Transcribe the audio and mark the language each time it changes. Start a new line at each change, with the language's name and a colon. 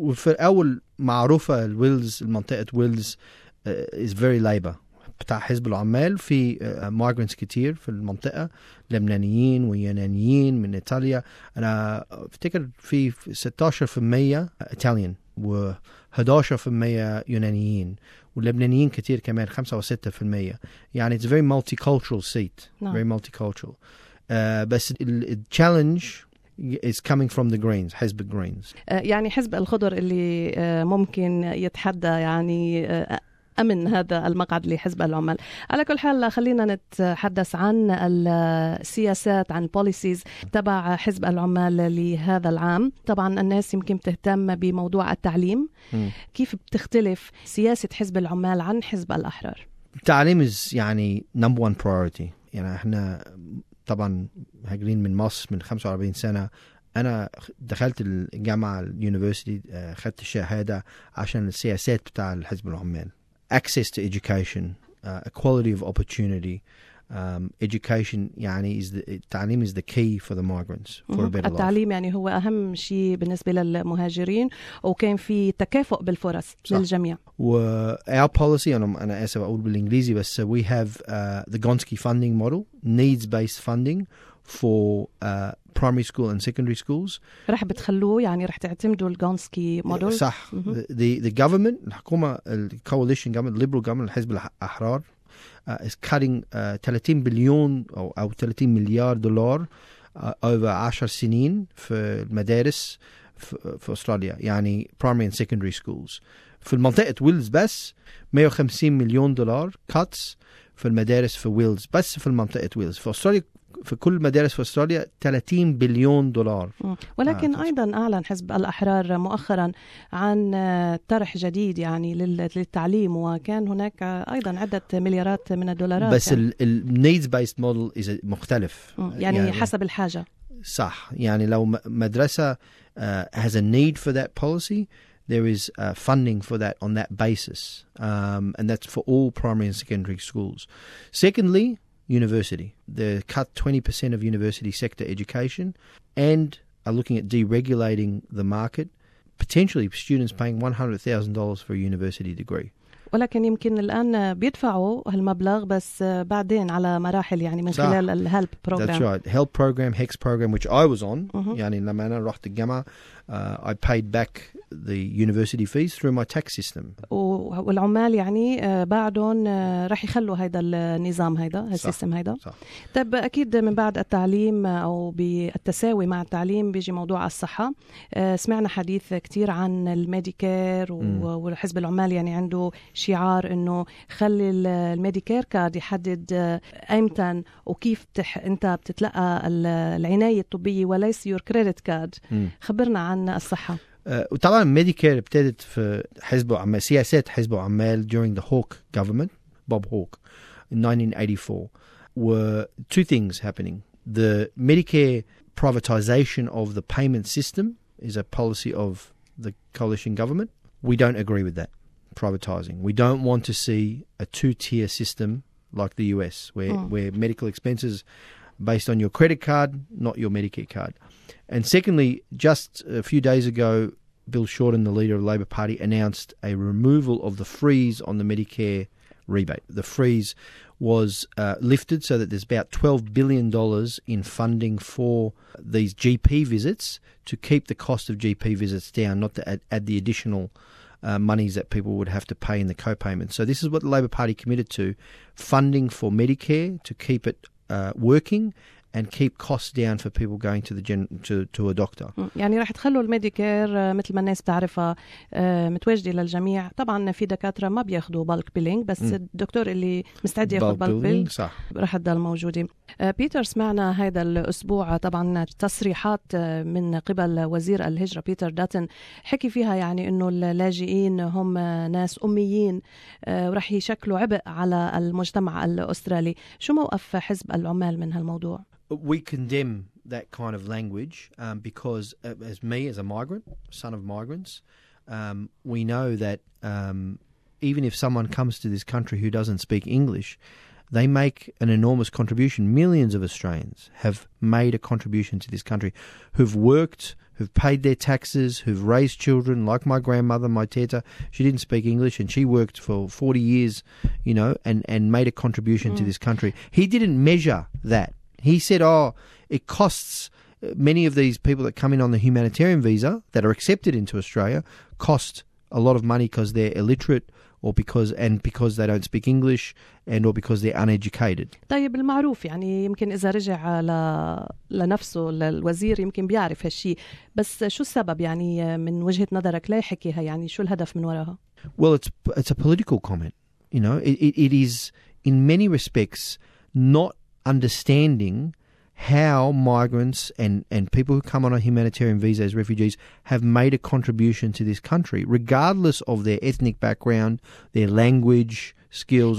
Arabic: في الأول معروفة ويلز، المنطقة ويلز
English: is very labor
Arabic: بتاع حزب العمال، في مارغرينز كتير في المنطقة، لبنانيين ويونانيين من إيطاليا. أنا أفتكر في 16% إيطاليين و 11% يونانيين، واللبنانيين كتير كمان 5 و6%. يعني
English: it's a very multicultural seat. No. Very multicultural.
Arabic: بس التشالنج
English: is coming from the greens,
Arabic: حزب
English: greens.
Arabic: يعني حزب الخضر اللي ممكن يتحدى يعني أمن هذا المقعد لحزب العمال. على كل حال خلينا نتحدث عن السياسات، عن البوليسيز تبع حزب العمال لهذا العام. طبعا الناس يمكن تهتم بموضوع التعليم. كيف بتختلف سياسة حزب العمال عن حزب الأحرار؟ التعليم
English: is
Arabic: يعني
English: number one priority.
Arabic: يعني احنا طبعا هاجرين من مصر من 45 سنة. أنا دخلت الجامعة اليونيفرسيتي، خدت الشهادة عشان السياسات بتاع حزب العمال.
English: Access to education, equality of opportunity, education.
Arabic: يعني
English: is the
Arabic: تعليم
English: is the key for the migrants for a better life.
Arabic: التعليم يعني هو أهم شيء بالنسبة للمهاجرين، وكان في تكافؤ بالفرص للجميع.
English: و our policy
Arabic: أنا آسف أقول بالإنجليزي بس
English: we have the Gonski funding model, needs based funding for primary school and secondary schools.
Arabic: رح بتخلوه يعني رح تعتمدوا الغونسكي موديل. صح.
English: The government,
Arabic: الحكومة,
English: the coalition government, liberal government,
Arabic: الحزب الأحرار,
English: is cutting 30 billion
Arabic: أو 30 مليار دولار
English: over 10
Arabic: سنين في المدارس في أستراليا. يعني
English: primary and secondary schools.
Arabic: في المنطقة ويلز بس 150 مليون دولار
English: cuts
Arabic: في المدارس في ويلز بس في المنطقة ويلز. في أستراليا في كل مدارس في أستراليا 30 بليون دولار. ولكن أيضا أعلن حزب الأحرار مؤخرا عن طرح جديد يعني للتعليم، وكان هناك أيضا عدة مليارات من الدولارات. بس الـ
English: needs based model is
Arabic: مختلف. يعني حسب الحاجة. صح. يعني لو مدرسة
English: has a need for that policy, there is funding for that on that basis, and that's for all primary and secondary schools. Secondly, university. They cut 20% of university sector education and are looking at deregulating the market, potentially students paying $100,000 for a university degree.
Arabic: ولكن يمكن الآن بيدفعوا هالمبلغ بس بعدين على مراحل يعني من خلال الهلب بروجرام.
English: That's right. Help program, HEX program, which I was on.
Arabic: يعني لما أنا رحت الجامعة
English: I paid back the university fees through my tax system.
Arabic: والعمال يعني بعدهم رح يخلوا هيدا النظام هيدا هالسيستم هيدا. طب أكيد من بعد التعليم أو بالتساوي مع التعليم بيجي موضوع الصحة. سمعنا حديث كتير عن الميديكير والحزب العمال يعني عنده شعار انه خلي الميديكير كارد يحدد ايمتى وكيف انت بتتلقى العناية الطبية وليس يور كريدت كارد. خبرنا عن الصحة. وطبعا الميديكير ابتدت في حزب عمال، سياسات حزب عمال
English: during the Hawke government, Bob Hawke, in 1984. Were two things happening. The Medicare privatization of the payment system is a policy of the coalition government. We don't agree with that. Privatizing. We don't want to see a two-tier system like the US where where medical expenses based on your credit card, not your Medicare card. And secondly, just a few days ago, Bill Shorten, the leader of the Labor Party, announced a removal of the freeze on the Medicare rebate. The freeze was lifted so that there's about $12 billion in funding for these GP visits to keep the cost of GP visits down, not to add the additional monies that people would have to pay in the co-payment. So this is what the Labor Party committed to, funding for Medicare to keep it working and keep costs down for people going to the to a doctor.
Arabic: يعني راح تخلوا الميديكير مثل ما الناس بتعرفها متواجدة للجميع. طبعا في دكاترة ما بياخدوا بالك بيلينج, بس الدكتور اللي مستعد ياخد بالك بيلينج راح تضل موجودة. بيتر, سمعنا هذا الأسبوع طبعا تصريحات من قبل وزير الهجرة بيتر داتن, حكي فيها يعني إنه اللاجئين هم ناس أميين ورح يشكلوا عبء على المجتمع الأسترالي. شو موقف حزب العمال من هالموضوع؟
English: We condemn that kind of language because as me as a migrant, son of migrants, we know that even if someone comes to this country who doesn't speak English, they make an enormous contribution. Millions of Australians have made a contribution to this country, who've worked, who've paid their taxes, who've raised children, like my grandmother, my teta. She didn't speak English and she worked for 40 years, you know, and made a contribution to this country. He didn't measure that. He said, oh, it costs many of these people that come in on the humanitarian visa that are accepted into Australia cost a lot of money because they're illiterate or because they don't speak English and or because they're uneducated.
Arabic: طيب المعروف يعني يمكن إذا رجع لنفسه للوزير يمكن بيعرف هالشي, بس شو السبب يعني من وجهة نظرك ليه حكيها, يعني شو الهدف من وراها؟
English: Well, it's a political comment. You know, it is in many respects not understanding how migrants and people who come on a humanitarian visa as refugees have made a contribution to this country, regardless of their ethnic background, their language, skills,